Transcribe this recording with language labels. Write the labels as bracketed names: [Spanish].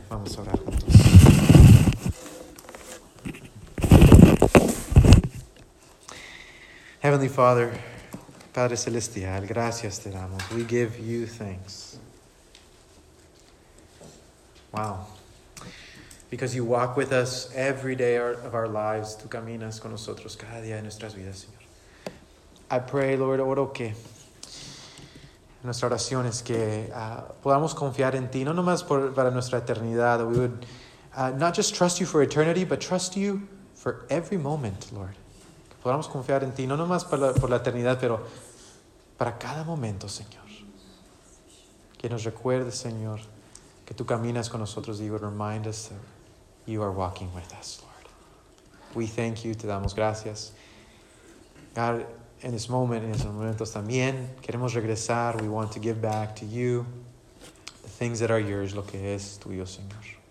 [Spanish] Vamos a orar juntos. [English] Heavenly Father, [Spanish] Padre Celestial, gracias te damos. [English] We give you thanks. Wow. Because you walk with us every day of our lives. [Spanish] Tú caminas con nosotros cada día de nuestras vidas, Señor. [English] I pray, Lord, [Spanish] oro que nuestra oración es que podamos confiar en ti, no nomás para nuestra eternidad. [English] We would not just trust you for eternity, but trust you for every moment, Lord. [Spanish] Que podamos confiar en ti, no nomás por la eternidad, pero para cada momento, Señor. Que nos recuerdes, Señor, que tú caminas con nosotros. [English] You would remind us that you are walking with us, Lord. We thank you. [Spanish] Te damos gracias. God, [English] in this moment, [Spanish] in estos momentos también, queremos regresar. [English] We want to give back to you the things that are yours, [Spanish] lo que es tuyo, [English] Señor.